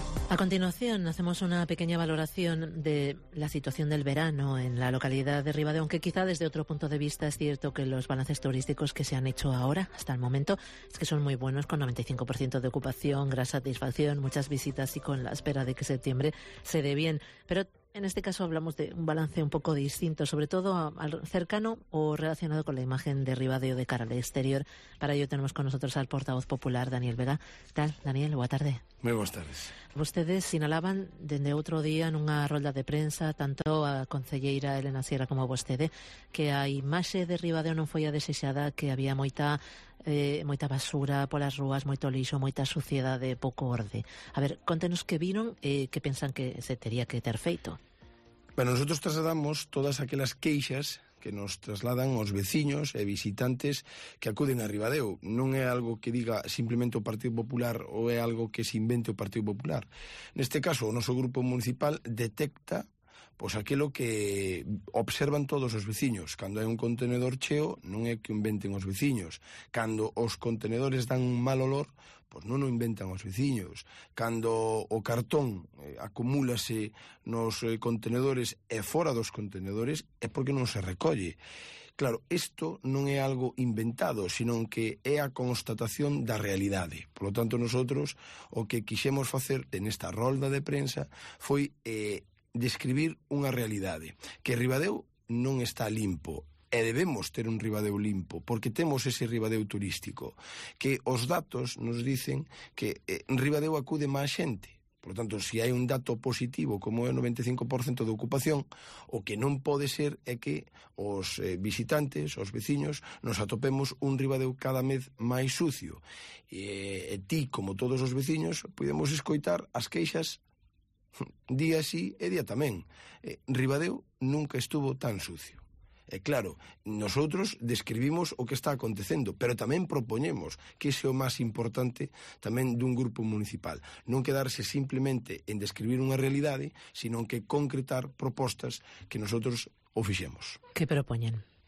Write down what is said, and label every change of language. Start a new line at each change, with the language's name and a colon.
Spanish: A continuación, hacemos una pequeña valoración de la situación del verano en la localidad de Ribadeo, aunque quizá desde otro punto de vista es cierto que los balances turísticos que se han hecho ahora, hasta el momento, es que son muy buenos, con 95% de ocupación, gran satisfacción, muchas visitas y con la espera de que septiembre se dé bien. Pero en este caso hablamos de un balance un poco distinto, sobre todo al cercano o relacionado con la imagen de Ribadeo de cara al exterior. Para ello tenemos con nosotros al portavoz popular, Daniel Vega. Tal, Daniel, buena tarde. Muy buenas tardes.
Galician: Ustedes sinalaban desde otro día en una rolda de prensa, tanto a concelleira Elena Sierra como a vostede, que a imaxe de Ribadeo non foi a desexada, que había moita basura polas rúas, moito lixo, moita suciedade, pouco orde. A ver, contenos que viron e que pensan que se tería que ter feito. Bueno, nosotros trasladamos todas aquelas queixas que nos trasladan os veciños e visitantes que acuden a Ribadeo. Non é algo que diga simplemente o Partido Popular ou é algo que se invente o Partido Popular. Neste caso, o noso grupo municipal detecta pois aquilo que observan todos os veciños. Cando hai un contenedor cheo, non é que inventen os veciños. Cando os contenedores dan un mal olor, pois non o inventan os veciños. Cando o cartón acumúlase nos contenedores e fora dos contenedores, é porque non se recolle. Claro, isto non é algo inventado, senón que é a constatación da realidade.
Spanish: Por lo tanto,
Galician: nosotros o que quixemos facer en esta rolda de prensa foi describir unha realidade, que Ribadeo non está limpo, e debemos ter un Ribadeo limpo, porque temos ese Ribadeo turístico, que os datos nos dicen que Ribadeo acude máis xente.
Spanish: Por lo tanto,
Galician: se hai un dato positivo, como é o 95% de ocupación, o que non pode ser é que os visitantes, os veciños, nos atopemos un Ribadeo cada mes máis sucio. E ti, como todos os veciños, podemos escoitar as queixas día sí e día tamén.
Spanish: Ribadeo nunca estuvo tan sucio.
Galician: Claro, nosotros describimos o que está acontecendo, pero tamén propoñemos que ese é o máis importante tamén dun grupo municipal. Non quedarse simplemente en describir unha realidade, sino que concretar propostas que nosotros o fixemos. Que propoñen?